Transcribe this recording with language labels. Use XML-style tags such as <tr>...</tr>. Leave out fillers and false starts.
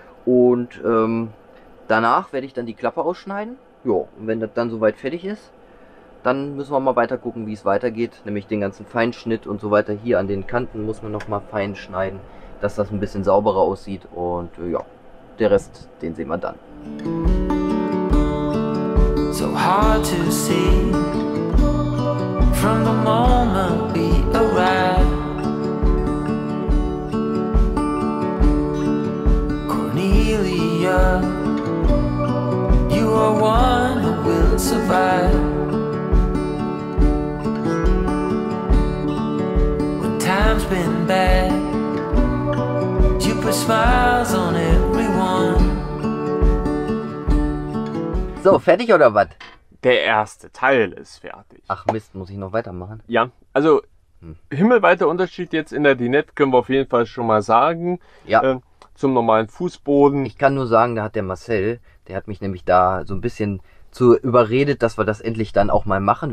<de>Und danach werde ich dann die Klappe ausschneiden. Ja, und wenn das dann soweit fertig ist, dann müssen wir mal weiter gucken, wie es weitergeht, nämlich den ganzen Feinschnitt und so weiter. Hier an den Kanten muss man nochmal fein schneiden, dass das ein bisschen sauberer aussieht und ja, der Rest, den sehen wir dann.</de> <en>So hard to see from the moment we arrived. Cornelia, you are one who will survive. Been bad. You put smiles on everyone.</en> <de>So, fertig oder was? Der erste Teil ist fertig. Ach Mist, muss ich noch weitermachen? Ja, also himmelweiter Unterschied jetzt in der Dinette, können wir auf jeden Fall schon mal sagen. Ja. Zum normalen Fußboden. Ich kann nur sagen, da hat der Marcel, der hat mich nämlich da so ein bisschen zu überredet, dass wir das endlich dann auch mal machen.</de>